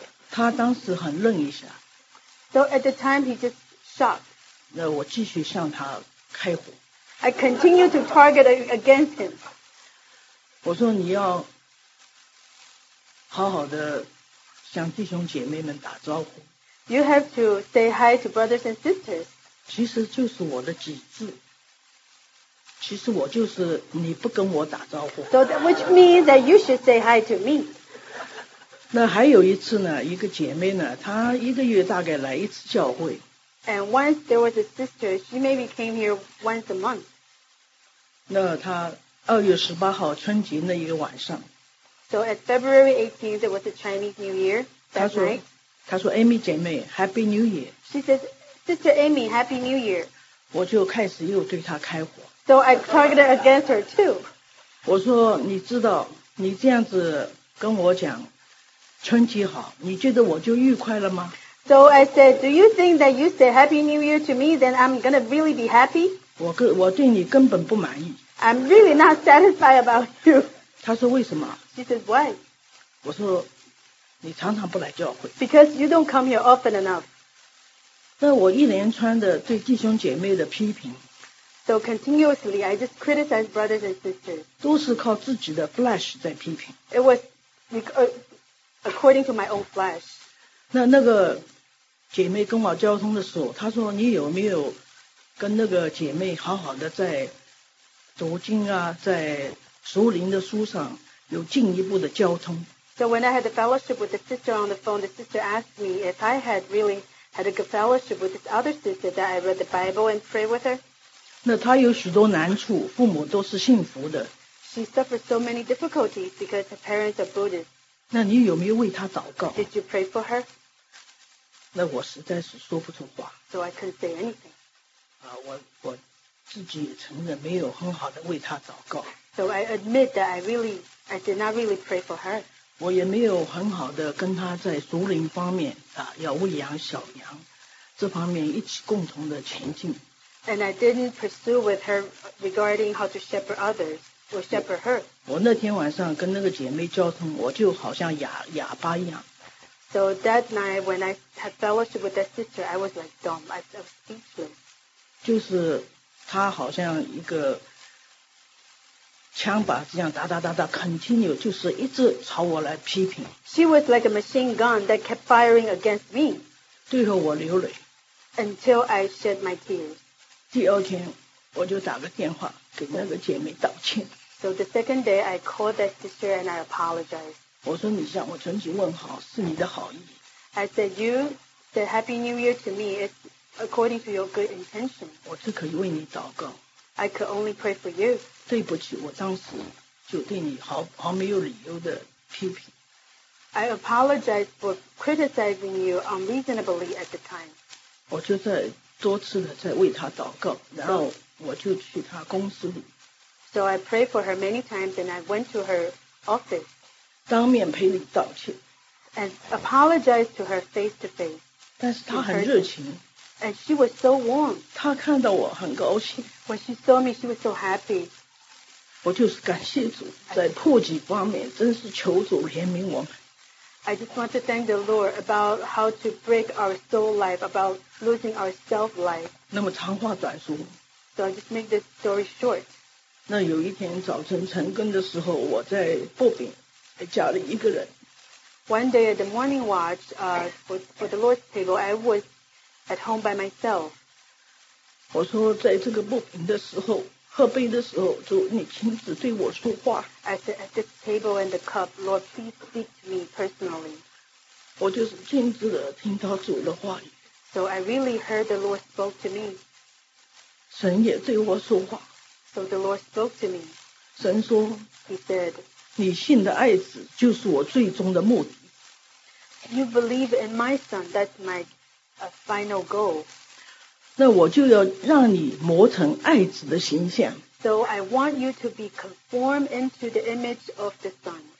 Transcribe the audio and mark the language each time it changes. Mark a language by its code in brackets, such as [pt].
[zh] 他当时很愣一下。 [en] So at the time, he just shocked. [zh] 那我继续向他开火。 [en] I continue to target against him. [zh] 我说你要好好的向弟兄姐妹们打招呼。 [en] You have to say hi to brothers and sisters. [zh] 其实就是我的几句。其实我就是你不跟我打招呼。 [en] So that, which means that you should say hi to me. [zh] 那还有一次呢，一个姐妹呢，她一个月大概来一次教会。 [en] And once there was a sister, she maybe came here once a month. [zh] 那她二月十八号春节那一个晚上。 [en] So at February 18th, it was the Chinese New Year that night. [zh] 她说 ，Amy 姐妹 ， [en] Happy New Year. She says, Sister Amy, Happy New Year. [zh] 我就开始又对她开火。 [en] So I targeted against her too. [zh] 我说你知道你这样子跟我讲春节好，你觉得我就愉快了吗？ [en] So I said, do you think that you say Happy New Year to me, then I'm going to really be happy? [zh] 我对你根本不满意。 [en] I'm really not satisfied about you. [zh] 他说为什么？ [en] She says, why? [zh] 我说你常常不来教会。 [en] Because you don't come here often enough. [zh] 那我一连串的对弟兄姐妹的批评。 [en] So continuously, I just criticized brothers and sisters. [zh] 都是靠自己的 flesh 在批评。 [en] It was according to my own flesh. [zh] 那个姐妹跟我交通的时候，她说你有没有跟那个姐妹好好的在读经啊，在属灵的书上有进一步的交通。 [en] So when I had the fellowship with the sister on the phone, the sister asked me if I had really had a good fellowship with this other sister that I read the Bible and prayed with her. [zh] 那她有许多难处，父母都是信佛的。 [en] She suffered so many difficulties because her parents are Buddhist. [zh] 那你有没有为她祷告？ [en] Did you pray for her? [zh] 那我实在是说不出话。 [en] So I couldn't say anything. [zh] 我自己也承认没有很好的为她祷告。 [en] So I admit that I did not really pray for her. [zh] 我也没有很好的跟她在属灵方面要喂养小羊这方面一起共同的前进。 [en] And I didn't pursue with her regarding how to shepherd others or shepherd her. [zh] 我那天晚上跟那个姐妹交通，我就好像哑巴一样。 [en] So that night when I had fellowship with that sister, I was like dumb. I was speechless. [zh] 就是她好像一个枪靶这样哒哒哒哒 ，continue 就是一直朝我来批评。 [en] She was like a machine gun that kept firing against me. [zh] 最后我流泪。 [en] Until I shed my tears. [zh] 第二天我就打个电话给那个姐妹道歉。 [en] So the second day I called that sister and I apologized. [zh] 我说你向我春节问好是你的好意。 [en] I said you said Happy New Year to me is according to your good intention. [zh] 我只可以为你祷告。 [en] I could only pray for you. [zh] 对不起，我当时就对你毫没有理由的批评。 [en] I apologized for criticizing you unreasonably at the time. [zh] 我就在多次的在为她祷告，然后我就去她公司里。 [en] So I prayed for her many times and I went to her office. [zh] 当面赔礼道歉。 [en] And apologized to her face to face. [zh] 但是她很热情。 [en] And she was so warm. [zh] 她看到我很高兴。 [en] When she saw me, she was so happy. [zh] 我就是感谢主，在迫急方面真是求主怜悯我们。 [en] I just want to thank the Lord about how to break our soul life, about losing our self life. [zh] 那么长话短说。 [en] So I just make this story short. [zh] 那有一天早晨晨更的时候，我在薄饼，在家里一个人。 [en] One day at the morning watch, for the Lord's table, I was at home by myself. [zh] 我说在这个薄饼的时候，喝杯的时候，主你亲自对我说话。 [en] I said, at this table and the cup, Lord, please speak to me personally. [zh] 我就是亲自的听到主的话语。 [en] So I really heard the Lord spoke to me. [zh] 神也对我说话。 [en] So the Lord spoke to me. [zh] 神说 [en] He said, [zh] 你信的爱子就是我最终的目的。 [en] You believe in my son, that's my final goal. [zh] 那我就要让你磨成爱子的形象。 [en] So I want you to be conformed into the image of the son.